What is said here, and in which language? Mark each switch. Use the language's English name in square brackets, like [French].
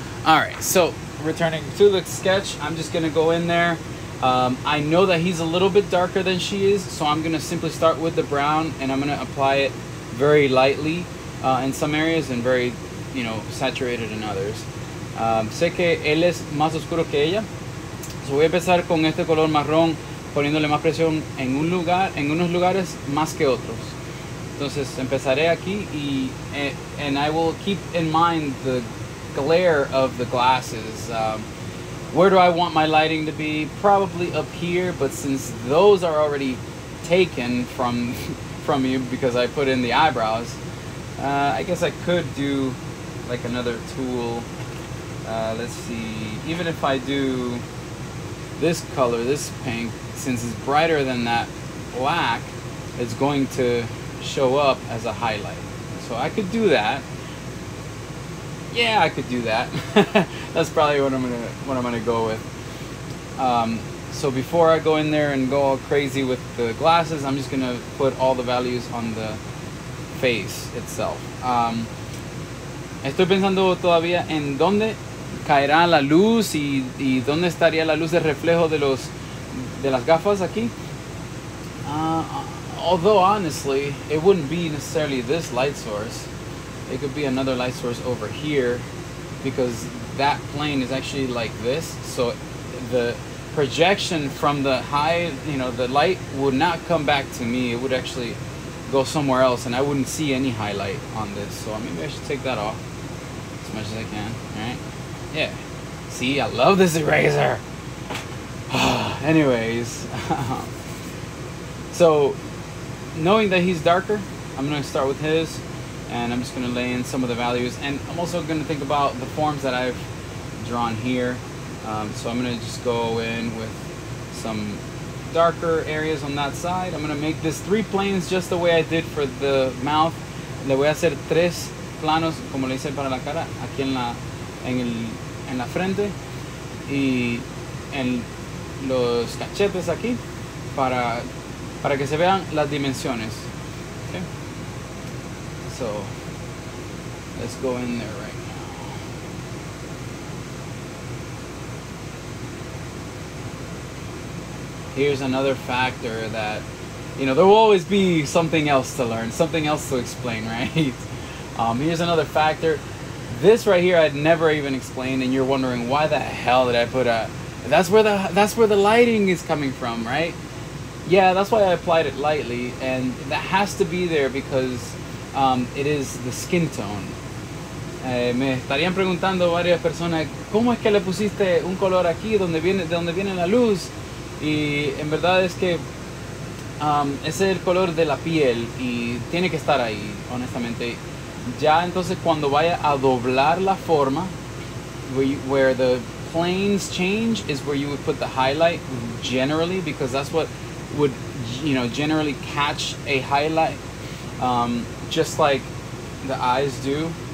[English] All right, so returning to the sketch, I'm just gonna go in there. I know that he's a little bit darker than she is, so I'm gonna simply start with the brown, and I'm gonna apply it very lightly in some areas, and very, you know, saturated in others. [Spanish] Sé que él es más oscuro que ella, so voy a empezar con este color marrón, poniéndole más presión en un lugar, en unos lugares más que otros. Entonces empezaré aquí, y [English] and I will keep in mind the glare of the glasses. Where do I want my lighting to be? Probably up here, but since those are already taken from you because I put in the eyebrows, I guess I could do like another tool. Let's see, even if I do this color, this pink, since it's brighter than that black, it's going to show up as a highlight. So I could do that. Yeah, I could do that. That's probably what I'm gonna go with. So before I go in there and go all crazy with the glasses, I'm just gonna put all the values on the face itself. [Spanish] Estoy pensando todavía en dónde caerá la luz y dónde estaría la luz de reflejo de las gafas aquí. [English] Although honestly, it wouldn't be necessarily this light source. it could be another light source over here, because that plane is actually like this, so the projection from the high, you know, the light would not come back to me. It would actually go somewhere else, and I wouldn't see any highlight on this. So maybe I should take that off as much as I can. All right? Yeah. See, I love this eraser. Anyways, so knowing that he's darker, I'm gonna start with his, and I'm just gonna lay in some of the values, and I'm also gonna think about the forms that I've drawn here. So I'm gonna just go in with some darker areas on that side. I'm gonna make this three planes just the way I did for the mouth. [Spanish] Le voy a hacer tres planos como le hice para la cara aquí en la en la frente y en los cachetes aquí para que se vean las dimensiones. [English] Okay. So let's go in there right now. Here's another factor that, you know, there will always be something else to learn, something else to explain, right? Here's another factor. This right here, I'd never even explained, and you're wondering why the hell did I put a... That's where the lighting is coming from, right? Yeah, that's why I applied it lightly, and that has to be there because it is the skin tone. [Spanish] Me estarían preguntando varias personas, ¿cómo es que le pusiste un color aquí donde viene la luz? Y en verdad es que ese es el color de la piel y tiene que estar ahí, honestamente. Ya entonces cuando vaya a doblar la forma, [English] where the planes change is where you would put the highlight generally, because that's what would, you know, generally catch a highlight, just like the eyes do.